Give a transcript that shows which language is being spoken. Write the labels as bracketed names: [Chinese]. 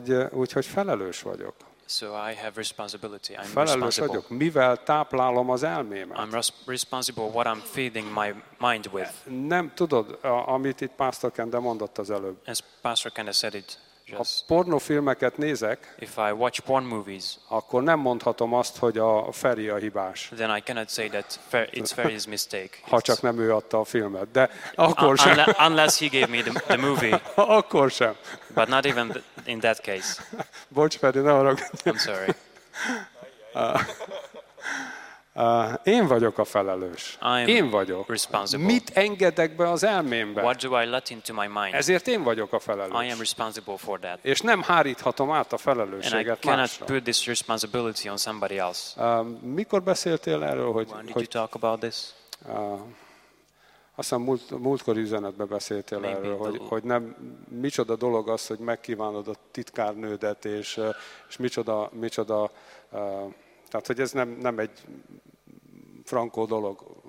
[Hungarian] Úgyhogy felelős vagyok. [English] So I have responsibility. I'm [Hungarian] felelős [English] responsible. [Hungarian] Vagyok, mivel táplálom az elmémet. [English] I'm responsible what I'm feeding my mind with. [Hungarian] Nem tudod, amit itt Pastor Kende mondott az előbb. [English] As Pastor Kende said it. [Hungarian] Ha pornofilmeket nézek, [English] if I watch porn movies, [Hungarian] akkor nem mondhatom azt, hogy a Feri a hibás. [English] Then I cannot say that it's Feri's mistake. [Hungarian] Ha csak nem ő adta a filmet, de akkor sem. [English] Unless he gave me the movie. [Hungarian] Akkor sem. [English] But not even in that case. [Hungarian] Bocs, Feri, ne haragudj. [English] I'm sorry. [Hungarian] Én vagyok a felelős. Én vagyok. [English] Responsible. [Hungarian] Mit engedek be az elmémbe? [English] What do I let into my mind? [Hungarian] Ezért én vagyok a felelős. [English] I am responsible for that. [Hungarian] És nem háríthatom át a felelősséget másra. [English] And I cannot put this responsibility on somebody else. [Hungarian] Mikor beszéltél erről, hogy... [English] When did you talk about this? [Hungarian] Aztán múltkori üzenetben beszéltél [English] maybe [Hungarian] erről, hogy nem micsoda dolog az, hogy megkívánod a titkárnődet, és micsoda tehát, hogy ez nem egy frankó dolog.